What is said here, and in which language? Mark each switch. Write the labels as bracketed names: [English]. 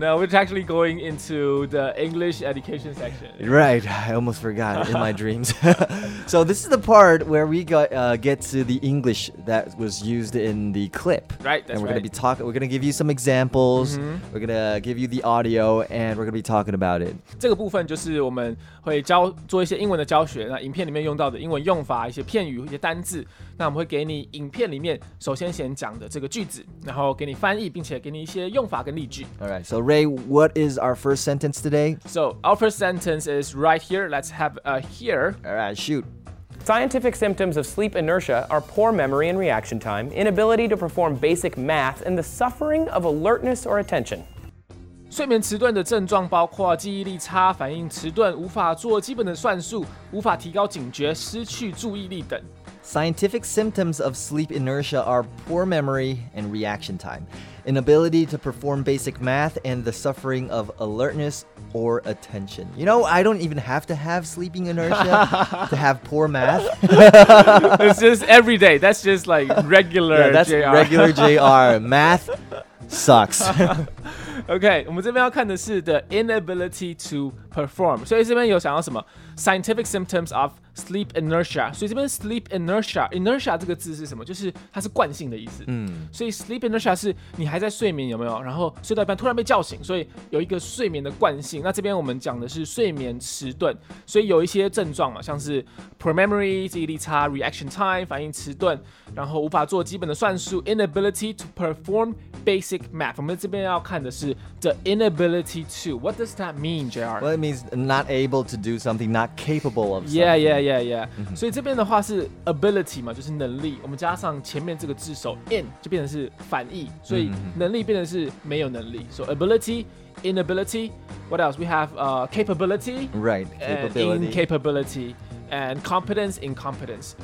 [English] No, we're actually going into the English education section. Right. I almost forgot in my dreams. So this is the part where we get to the English that was used in the clip. Right, that's right. And we're going to be talking, we're going to give you some examples. We're gonna give you the audio, and we're gonna be talking about it. [Chinese] 这个部分就是我们会教做一些英文的教学。那影片里面用到的英文用法、一些片语、一些单字，那我们会给你影片里面首先讲的这个句子，然后给你翻译，并且给你一些用法跟例句。 [English] All right, so Ray, what is our first sentence today? So our first sentence is right here. Let's have a here. All right, shoot. Scientific symptoms of sleep inertia are poor memory and reaction time, inability to perform basic math, and the suffering of alertness or attention. [Chinese] 睡眠迟钝的症状包括记忆力差、反应迟钝、无法做基本的算术、无法提高警觉、失去注意力等。 [English] Scientific symptoms of sleep inertia are poor memory and reaction time, inability to perform basic math, and the suffering of alertness or attention. You know, I don't even have to have sleeping inertia to have poor math. It's just every day. That's just like regular JR. Yeah, that's regular JR. Math sucks. [Chinese] Okay, 我们这边要看的是 [English] the inability to perform. [Chinese] 所以这边有想要什么 [English] scientific symptoms of sleep inertia. [Chinese] 所以这边 sleep inertia, inertia 这个字是什么？就是它是惯性的意思。嗯，所以 sleep inertia 是你还在睡眠，有没有？然后睡到一半突然被叫醒，所以有一个睡眠的惯性。那这边我们讲的是睡眠迟钝，所以有一些症状嘛，像是 [English] poor memory [Chinese] 记忆力差 ， [English] reaction time [Chinese] 反应迟钝，然后无法做基本的算术 ， [English] inability to perform basic math. [Chinese] 我们这边要看的是 [English] the inability to. What does that mean, JR? Well, it means not able to do something, not capable of something. [Chinese] Yeah, yeah. Yeah, yeah. Mm-hmm. 所以这边的话是 ability 嘛，就是能力。我们加上前面这个字首 in 就变成是反义，所以能力变成是没有能力。 [English] So ability, inability. What else? We have capability, right? Capability, and incapability, and competence, incompetence.